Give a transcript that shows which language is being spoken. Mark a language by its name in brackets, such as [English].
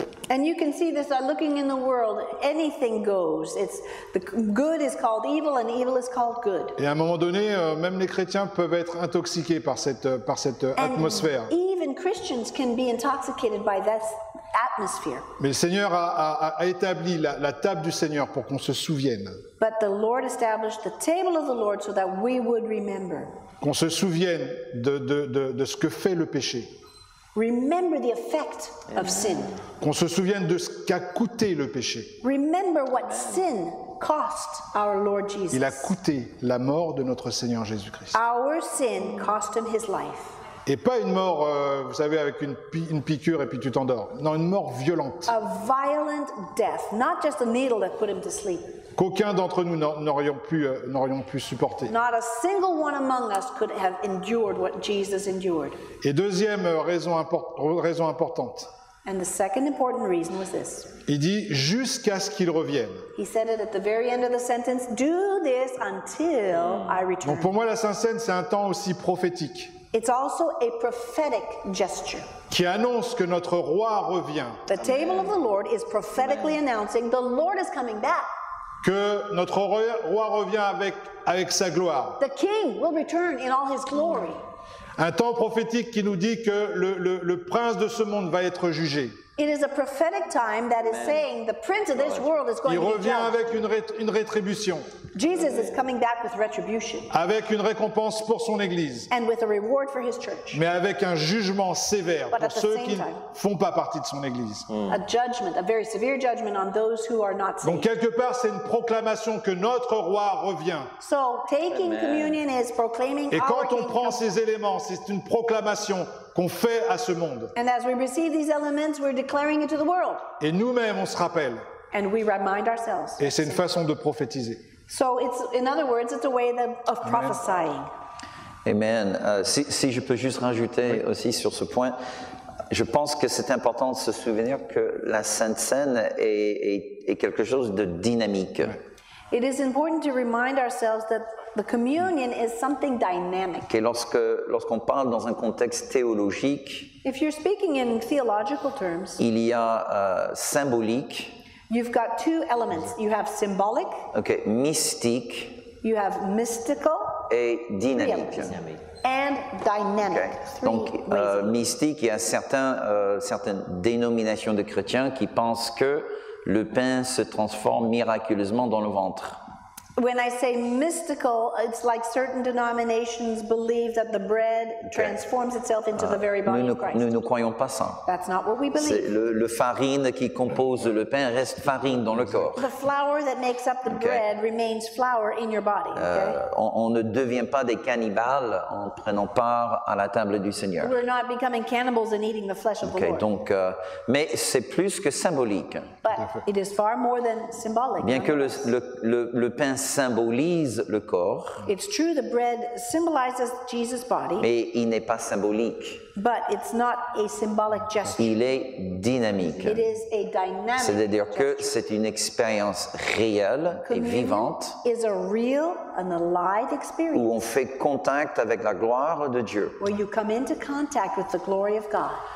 [English] And you can see this looking in the world, anything goes. It's the good is called evil and evil is called good. [French] Et à un moment donné, même les chrétiens peuvent être intoxiqués par cette atmosphère. [English] And even Christians can be intoxicated by this atmosphere. [French] Mais le Seigneur a établi la table du Seigneur pour qu'on se souvienne. [English] But the Lord established the table of the Lord so that we would remember. [French] Qu'on se souvienne de ce que fait le péché. [English] Remember the effect of sin. [French] Qu'on se souvienne de ce qu'a coûté le péché. [English] Remember what sin cost our Lord Jesus. [French] Il a coûté la mort de notre Seigneur Jésus-Christ. [English] Our sin cost him his life. [French] Et pas une mort, vous savez, avec une piqûre et puis tu t'endors. Non, une mort violente. [English] A violent death, not just a needle that put him to sleep. [French] Qu'aucun d'entre nous n'aurions pu supporter. [English] Not a single one among us could have endured what Jesus endured. [French] Et deuxième raison importante. [English] And the second important reason was this. [French] Il dit jusqu'à ce qu'il revienne. [English] He said it at the very end of the sentence. Do this until I return. [French] Donc pour moi, la Sainte-Cène, c'est un temps aussi prophétique. [English] It's also a prophetic gesture. [French] Qui annonce que notre roi revient. [English] The table of the Lord is prophetically announcing the Lord is coming back. [French] Que notre roi revient avec sa gloire. [English] The king will return in all his glory. [French] Un temps prophétique qui nous dit que le prince de ce monde va être jugé. [English] It is a prophetic time that is saying the prince of this world is going to be judged. [French] Il revient avec une rétribution. [English] Jesus is coming back with retribution. [French] Avec une récompense pour son église. [English] And with a reward for his church. [French] Mais avec un jugement sévère pour ceux qui ne font pas partie de son église. [English] A judgment, a very severe judgment on those who are not saved. [French] Donc quelque part, c'est une proclamation que notre roi revient. [English] So taking communion is proclaiming our king. [French] Et quand on prend ces éléments, c'est une proclamation qu'on fait à ce monde. [English] And as we receive these elements, we're declaring it to the world. [French] Et nous-mêmes, on se rappelle. [English] And we remind ourselves. [French] Et c'est une façon de prophétiser. [English] So it's, in other words, it's a way of prophesying. Amen. [French] Si je peux juste rajouter aussi sur ce point, je pense que c'est important de se souvenir que la Sainte-Cène est quelque chose de dynamique. [English] It is important to remind ourselves that the communion is something dynamic. [French] Et lorsqu'on parle dans un contexte théologique, [English] if you're speaking in theological terms, [French] il y a symbolique. [English] You've got two elements. You have symbolic. [French] Okay, mystique. [English] You have mystical. [French] Et dynamique. [English] And dynamic. Okay. [French] Donc, mystique, il y a certaines dénominations de chrétiens qui pensent que le pain se transforme miraculeusement dans le ventre. [English] When I say mystical, it's like certain denominations believe that the bread transforms itself into the very body of Christ. [French] Nous ne croyons pas ça. [English] That's not what we believe. [French] C'est le farine qui compose le pain reste farine dans le corps. [English] The flour that makes up the bread remains flour in your body. [French] On ne devient pas des cannibales en prenant part à la table du Seigneur. [English] We're not becoming cannibals and eating the flesh of the Lord. [French] Donc, mais c'est plus que symbolique. [English] But it is far more than symbolic. [French] Bien que le pain symbolise le corps. [English] It's true, the bread symbolizes Jesus' body. [French] Mais il n'est pas symbolique. [English] But it's not a symbolic gesture. [French] Il est dynamique. [English] It is a dynamic. [French] C'est-à-dire [English] gesture. [French] Que c'est une expérience réelle [English] communion [French] et vivante. [English] Is a real and alive experience. [French] Où on fait contact avec la gloire de Dieu. [English] Where you come into contact with the glory of God.